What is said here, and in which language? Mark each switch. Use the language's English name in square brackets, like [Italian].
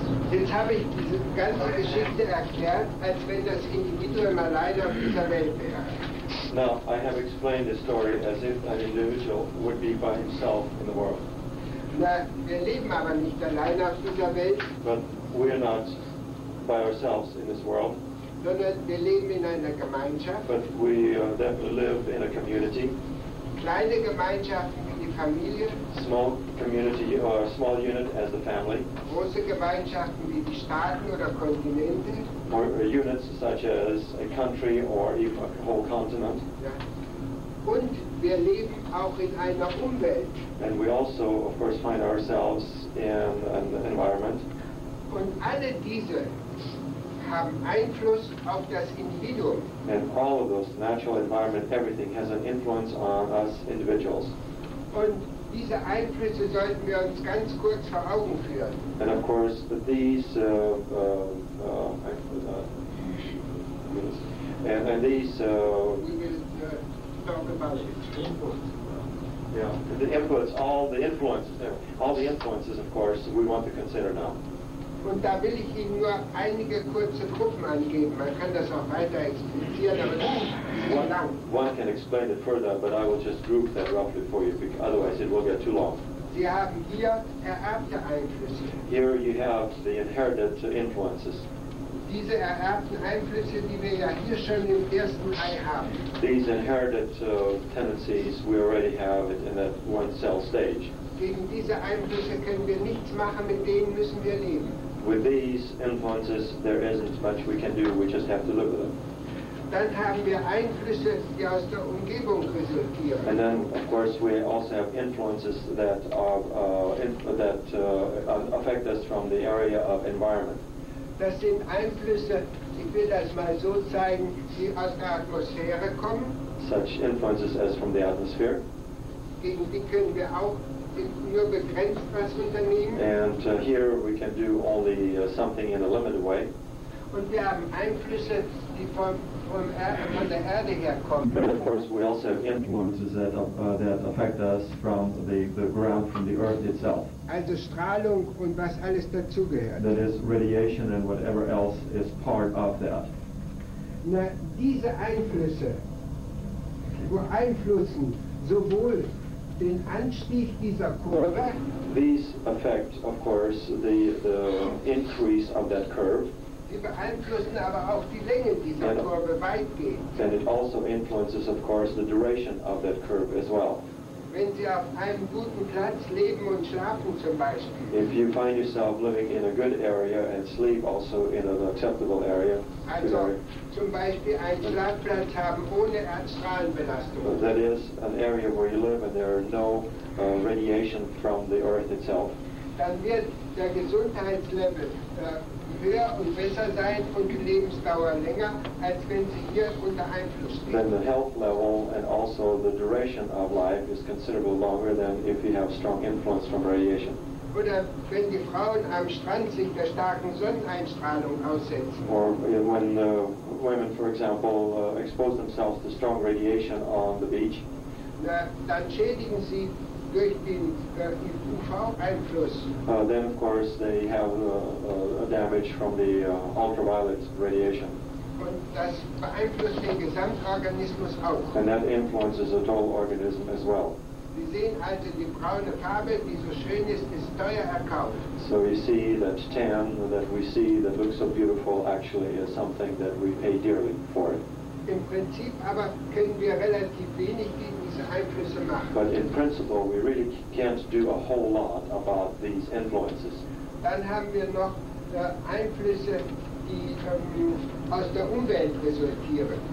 [German] Jetzt habe ich diese ganze Geschichte erklärt, als wenn das Individuum alleine auf dieser Welt wäre. [English] Now, I have explained the story as if an individual would be by himself in the world. [German] Na, wir leben aber nicht alleine auf dieser Welt. [English] But we are not by ourselves in this world. [German] Sondern wir leben in einer Gemeinschaft. [English] But we definitely live in a community. [German] Kleine Gemeinschaft. Familie, [English] small community or small unit as the family. [German] Große Gemeinschaften wie die Staaten oder Kontinente. [English] Or units such as a country or even a whole continent. [German] Ja. Und wir leben auch in einer Umwelt. [English] And we also, of course, find ourselves in an environment. [German] Und alle diese haben Einfluss auf das Individuum. [English] And all of those, natural environment, everything has an influence on us individuals. [German] Und diese Einflüsse sollten wir uns ganz kurz vor Augen führen. [English] And of course, the influences, of course, we want to consider now. [German] Und da will ich Ihnen nur einige kurze Gruppen angeben. Man kann das auch weiter explizieren, aber das [English] One can explain it further, but I will just group that roughly for you, because otherwise it will get too long. [German] Sie haben hier ererbte Einflüsse. [English] Here you have the inherited influences. [German] Diese ererbten Einflüsse, die wir ja hier schon im ersten Ei haben. [English] These inherited tendencies we already have in that one cell stage. [German] Gegen diese Einflüsse können wir nichts machen, mit denen müssen wir leben. [English] With these influences, there isn't much we can do, we just have to live with them. [German] Dann haben wir Einflüsse, die aus der Umgebung resultieren. [English] And then, of course, we also have influences that are affect us from the area of environment. [German] Das sind Einflüsse, ich will das mal so zeigen, die aus der Atmosphäre kommen. [English] Such influences as from the atmosphere. [German] Gegen die können wir auch nur begrenzt was unternehmen. [English] And here we can do only something in a limited way. [German] Und wir haben Einflüsse, die von der Erde. [English] But of course, we also have influences that that affect us from the ground, from the earth itself. [German] Also Strahlung und was alles dazugehört. [English] That is radiation and whatever else is part of that. [German] Na, diese Einflüsse beeinflussen sowohl den Anstieg dieser Kurve. [English] These affect, of course, the increase of that curve. [German] Sie beeinflussen aber auch die Länge dieser Kurve weitgehend. [English] And it also influences, of course, the duration of that curve as well. [German] Wenn Sie auf einem guten Platz leben und schlafen zum Beispiel. [English] If you find yourself living in a good area and sleep also in an acceptable area. [German] Also zum Beispiel einen Schlafplatz haben ohne Astralbelastung. [English] That is an area where you live and there are no radiation from the earth itself. [German] Dann wird der Gesundheitslevel höher und besser sein und die Lebensdauer länger, als wenn sie hier unter Einfluss stehen. [English] Then the health level and also the duration of life is considerably longer than if you have strong influence from radiation. [German] Oder wenn die Frauen am Strand sich der starken Sonneneinstrahlung aussetzen. [English] Or when women, for example, expose themselves to strong radiation on the beach. [German] Dann schädigen sie durch den UV-Einfluss. [English] Then, of course, they have a damage from the ultraviolet radiation. [German] Und das beeinflusst den Gesamtorganismus auch. [English] And that influences the total organism as well. [German] Sie sehen also die braune Farbe, die so schön ist, ist teuer erkauft. [English] So you see that tan that we see that looks so beautiful actually is something that we pay dearly for it. [German] Im Prinzip aber können wir relativ wenig gegen diese Einflüsse machen. [English] But in principle, we really can't do a whole lot about these influences. [German] Dann haben wir noch Einflüsse, die aus der Umwelt resultieren.